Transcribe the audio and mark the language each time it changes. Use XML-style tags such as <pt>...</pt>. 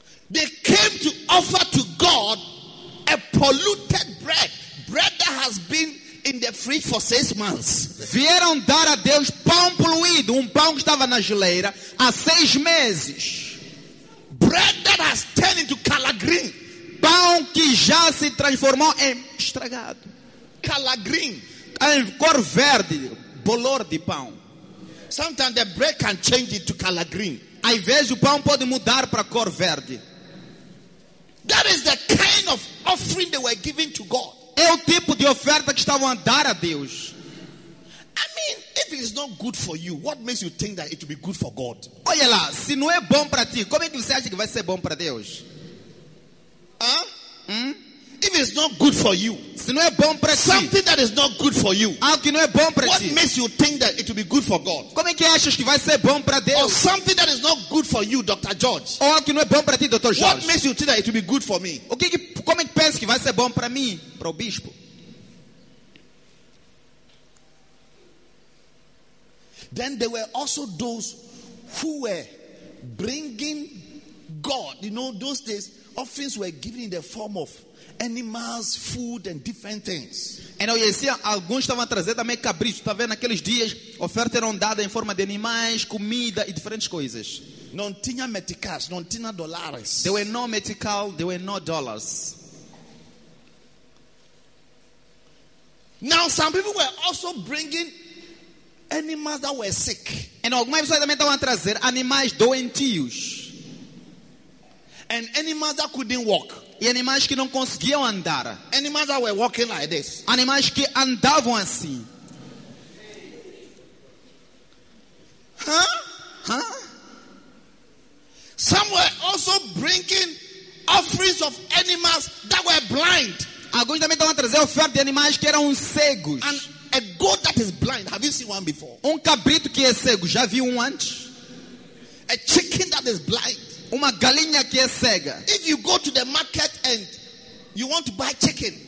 <en>They came to offer to God a polluted bread. Bread that has been in the fridge for 6 months.</en> <pt>Vieram dar a Deus pão poluído. Um pão que estava na geleira há 6 meses.</pt> <en>Bread that has turned into color green.</en> <pt>Pão que já se transformou em estragado.</pt> <en>Color green.</en> <pt>Em cor verde. Bolor de pão.</pt> <en>Sometimes the bread can change it to color green.</en> <pt>Às vezes o pão pode mudar para cor verde.</pt> <en>That is the kind of offering they were giving to God.</en> <pt>É o tipo de oferta que estavam a dar a Deus.</pt> <en>I mean, if it is not good for you, what makes you think that it will be good for God?</en> <pt>Olha lá, se não é bom para ti, como é que você acha que vai ser bom para Deus?</pt> <en>If it's not good for you,</en> <pt>se não é bom para ti,</pt> <en>something that is not good for you,</en> <pt>algo que não é bom para ti,</pt> <en>what makes you think that it will be good for God?</en> <pt>Como é que achas que vai ser bom para Deus?</pt> <en>Or something that is not good for you, Dr. George?</en> <pt>Ou algo que não é bom para ti, Dr. George?</pt> <en>What makes you think that it will be good for me?</en> <pt>O que, como é que pensas que vai ser bom para mim, para o bispo?</pt> <en>Then there were also those who were bringing God. You know, those days, offerings were given in the form of animals, food and different things.</en> <pt>E não, e assim, alguns estavam a trazer também cabrito. Está vendo, naqueles dias oferta era dada em forma de animais, comida e diferentes coisas. Não tinha meticais, não tinha dólares.</pt> <en>There were no metical, there were no dollars. Now some people were also bringing animals that were sick.</en> <pt>And algumas pessoas também estavam a trazer animais doentios.</pt> <en>And animals that couldn't walk.</en> <pt>E animais que não conseguiam andar.</pt> <en>Animals that were walking like this.</en> <pt>Animais que andavam assim.</pt> <en>Some were also bringing offerings of animals that were blind.</en> <pt>Alguns também estão a trazer ofertas de animais que eram cegos.</pt> <en>And a goat that is blind, have you seen one before?</en> <pt>Um cabrito que é cego, já viu um antes?</pt> <en>A chicken that is blind.</en> <pt>Uma galinha que é cega.</pt> <en>If you go to the market and you want to buy chicken,</en>